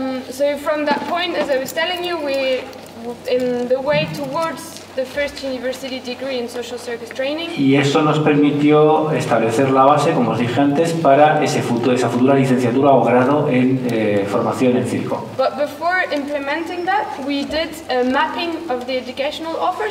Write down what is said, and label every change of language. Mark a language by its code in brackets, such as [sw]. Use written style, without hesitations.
[en] So from that point, as I was telling you, we in the way towards the first university degree in social circus training. [es] Y eso nos permitió establecer la base, como os dije antes, para ese futuro, esa futura licenciatura o grado en formación en circo. [en] But before implementing that, we did a mapping of the educational offer.